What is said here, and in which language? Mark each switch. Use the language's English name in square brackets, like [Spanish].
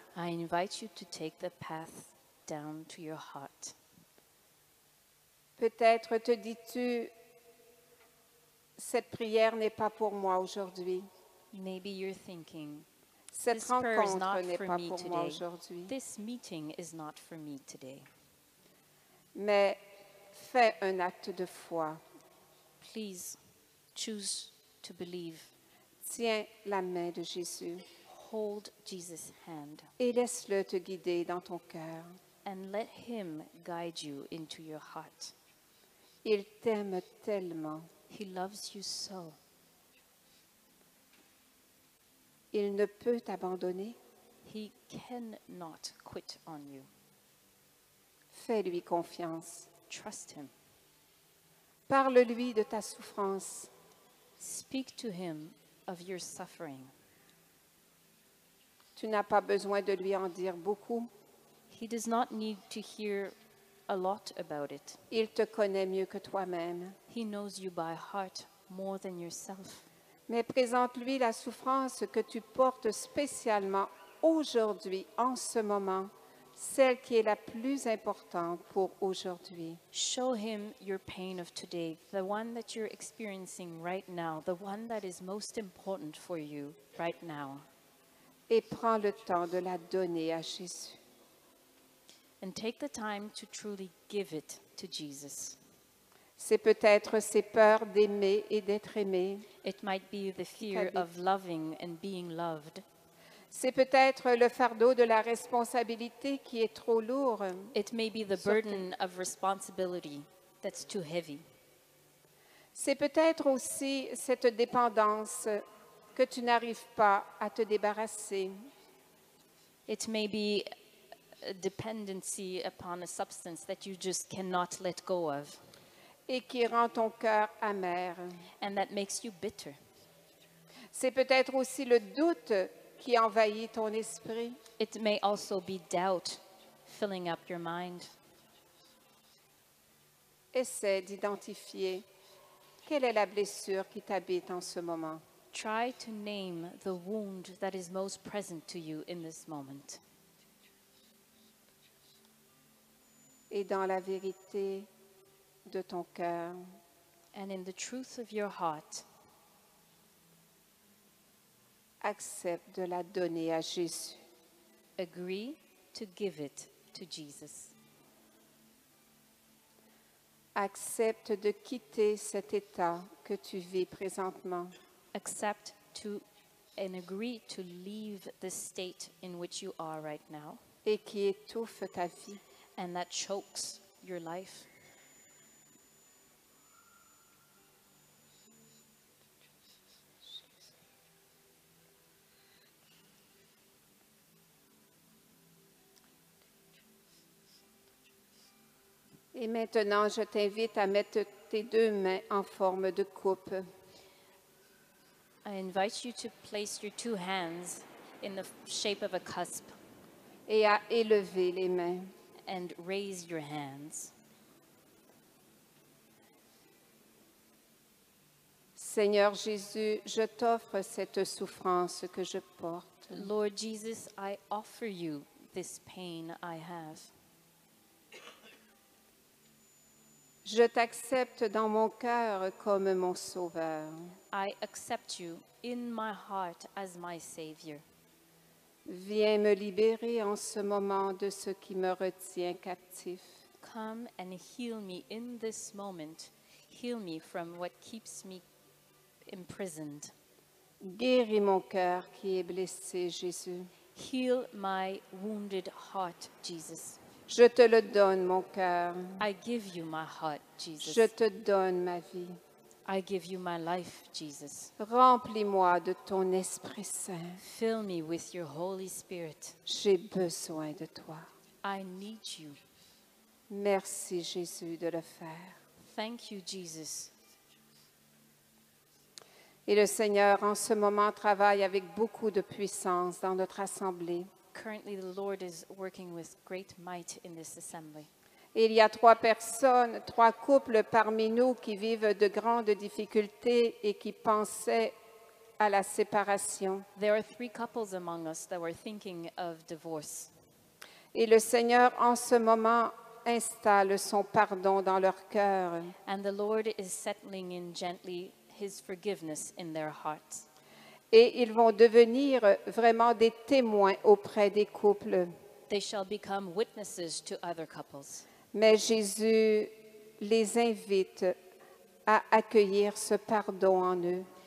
[English] I invite you to take the path down to your heart. [French] Peut-être te dis-tu, cette prière n'est pas pour moi aujourd'hui. [English] Maybe you're thinking, [French] cette rencontre n'est pas pour moi aujourd'hui. [English] This meeting is not for me today. [French] Mais fais un acte de foi. [English] Please choose to believe. [French] Tiens la main de Jésus. [English] Hold Jesus' hand. [French] Et laisse-le te guider dans ton cœur. [English] And let him guide you into your heart. [French] Il t'aime tellement. [English] He loves you so. [French] Il ne peut t'abandonner. [English] He cannot quit on you. [French] Fais-lui confiance. [English] Trust him. [French] Parle-lui de ta souffrance. [English] Speak to him of your suffering. [French] Tu n'as pas besoin de lui en dire beaucoup. [English] He does not need to hear a lot about it. [French] Il te connaît mieux que toi-même. [English] He knows you by heart more than yourself. [French] Mais présente-lui la souffrance que tu portes spécialement aujourd'hui, en ce moment, celle qui est la plus importante pour aujourd'hui. [English] Show him your pain of today, the one that you're experiencing right now, the one that is most important for you right now. [French] Et prends le temps de la donner à Jésus. [English] And take the time to truly give it to Jesus. [French] C'est peut-être ces peurs d'aimer et d'être aimé. [English] It might be the fear of loving and being loved. [French] C'est peut-être le fardeau de la responsabilité qui est trop lourd. [English] It may be the burden of responsibility that's too heavy. [French] C'est peut-être aussi cette dépendance que tu n'arrives pas à te débarrasser. [English] It may be a dependency upon a substance that you just cannot let go of. [French] Et qui rend ton cœur amer. [English] And that makes you bitter. [French] C'est peut-être aussi le doute qui envahit ton esprit. [English] It may also be doubt filling up your mind. [French] Essaie d'identifier quelle est la blessure qui t'habite en ce moment. [English] Try to name the wound that is most present to you in this moment. [French] Et dans la vérité de ton cœur. [English] And in the truth of your heart, [French] accepte de la donner à Jésus. [English] Agree to give it to Jesus. [French] Accepte de quitter cet état que tu vis présentement. [English] Accept to and agree to leave the state in which you are right now. [French] Et qui étouffe ta vie. [English] And that chokes your life. [French] Et maintenant, je t'invite à mettre tes deux mains en forme de coupe. [English] I invite you to place your two hands in the shape of a cusp. [French] Et à élever les mains. [English] And raise your hands. [French] Seigneur Jésus, je t'offre cette souffrance que je porte. [English] Lord Jesus, I offer you this pain I have. [French] Je t'accepte dans mon cœur comme mon sauveur. [English] I accept you in my heart as my savior. [French] Viens me libérer en ce moment de ce qui me retient captif. [English] Come and heal me in this moment. Heal me from what keeps me imprisoned. [French] Guéris mon cœur qui est blessé, Jésus. [English] Heal my wounded heart, Jesus. [French] Je te le donne, mon cœur. [English] I give you my heart, Jesus. [French] Je te donne ma vie. [English] I give you my life, Jesus. [French] Remplis-moi de ton Esprit Saint. [English] Fill me with your Holy Spirit. [French] J'ai besoin de toi. [English] I need you. [French] Merci, Jésus, de le faire. [English] Thank you, Jesus. [French] Et le Seigneur, en ce moment, travaille avec beaucoup de puissance dans notre assemblée. [English] Currently, the Lord is working with great might in this assembly. [French] Il y a trois personnes, trois couples parmi nous qui vivent de grandes difficultés et qui pensaient à la séparation. [English] There are three couples among us that were thinking of divorce. [French] Et le Seigneur, en ce moment, installe son pardon dans leur cœur. [English] And the Lord is settling in gently his forgiveness in their hearts. [French] Et ils vont devenir vraiment des témoins auprès des couples. [English] They shall become witnesses to other couples. [French] Mais Jésus les invite à accueillir ce pardon en eux.